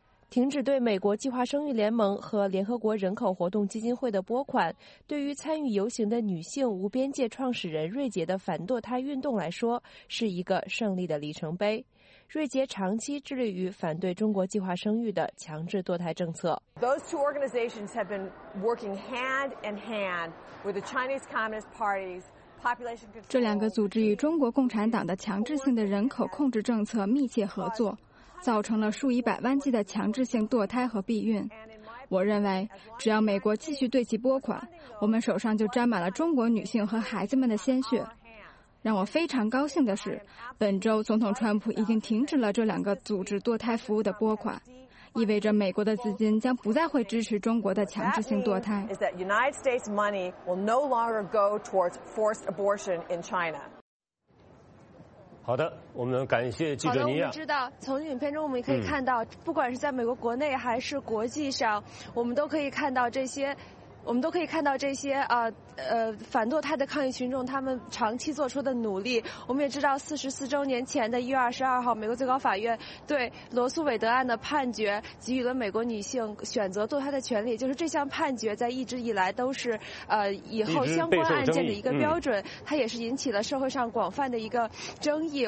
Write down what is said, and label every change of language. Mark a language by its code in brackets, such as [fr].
[zh] 停止对美国计划生育联盟和联合国人口活动基金会的拨款，对于参与游行的女性无边界创始人瑞杰的反堕胎运动来说，是一个胜利的里程碑。瑞杰长期致力于反对中国计划生育的强制堕胎政策。 [en] Those two organizations have been working hand in hand with the Chinese Communist Party's population control. [zh] 这两个组织与中国共产党的强制性的人口控制政策密切合作，造成了数以百万计的强制性堕胎和避孕。我认为，只要美国继续对其拨款，我们手上就沾满了中国女性和孩子们的鲜血。让我非常高兴的是，本周总统川普已经停止了这两个组织堕胎服务的拨款，意味着美国的资金将不再会支持中国的强制性堕胎。 [en] Is that United States money will no longer go towards forced abortion in China? [zh] 好的，我们感谢记者尼亚。好的，我们知道从影片中我们可以看到，不管是在美国国内还是国际上，我们都可以看到这些我们都可以看到这些反堕胎的抗议群众他们长期做出的努力。我们也知道44周年前的1月22号，美国最高法院对罗素韦德案的判决给予了美国女性选择堕胎的权利，就是这项判决在一直以来都是以后相关案件的一个标准，它也是引起了社会上广泛的一个争议。